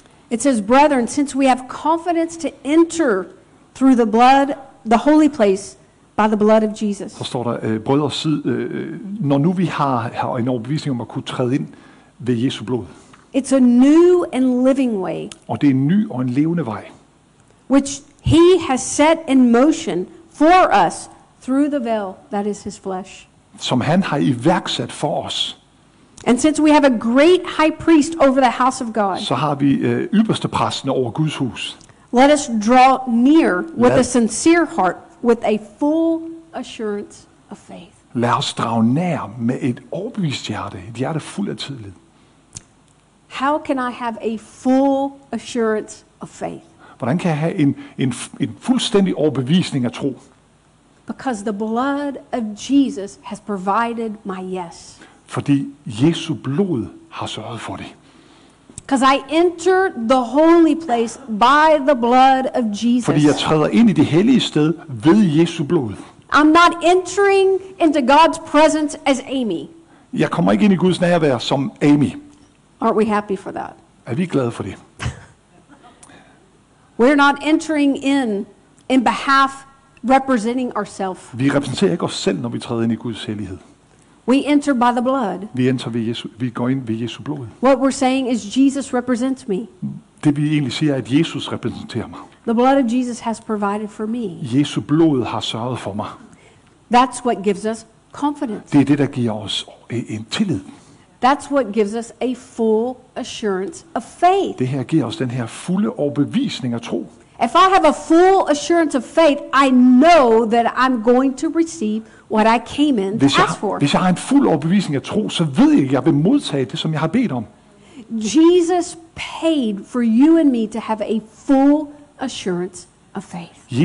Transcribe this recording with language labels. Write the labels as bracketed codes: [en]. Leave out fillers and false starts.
[en] It says, brethren, since we have confidence to enter through the blood, the holy place, by the blood of Jesus. [da] Så står der brødre, når nu vi har en overbevisning om at kunne træde ind ved Jesu blod. [en] It's a new and living way. [da] Og det er en ny og en levende vej. [en] Which he has set in motion for us through the veil that is his flesh. [da] Som han har iværksat for os. [en] And since we have a great high priest over the house of God. [da] Så har vi ypperste præsten over Guds hus. [en] Let us draw near with a sincere heart with a full assurance of faith. [da] Lad os drage nær med et overbevist hjerte, et hjerte fuld af tillid. [en] How can I have a full assurance of faith? [da] Hvordan kan jeg have en fuldstændig overbevisning af tro? [en] Because the blood of Jesus has provided my yes. [da] Fordi Jesu blod har sørget for det. [en] Because I enter the holy place by the blood of Jesus. [da] Fordi jeg træder ind i det hellige sted ved Jesu blod. [en] I'm not entering into God's presence as Amy. [da] Jeg kommer ikke ind i Guds nærvær som Amy. [en] Aren't we happy for that? [da] Er vi glade for det? [en] We're not entering in behalf representing ourselves. [da] Vi repræsenterer ikke os selv når vi træder ind i Guds hellighed. [en] We enter by the blood. [da] Vi går ind ved Jesu blod. [en] What we're saying is Jesus represents me. [da] Det vi egentlig siger at Jesus repræsenterer mig. [en] The blood of Jesus has provided for me. [da] Jesu blod har sørget for mig. [en] That's what gives us confidence. [da] Det er det der giver os en tillid. [en] That's what gives us a full assurance of faith. [da] Det her giver os den her fulde overbevisning af tro. [en] If I have a full assurance of faith, I know that I'm going to receive what I came in to ask for. [da] Hvis jeg har en fuld overbevisning af tro, så ved jeg, at jeg vil modtage det, som jeg har bedt om. [en] Jesus paid for you and me to have a full assurance of faith.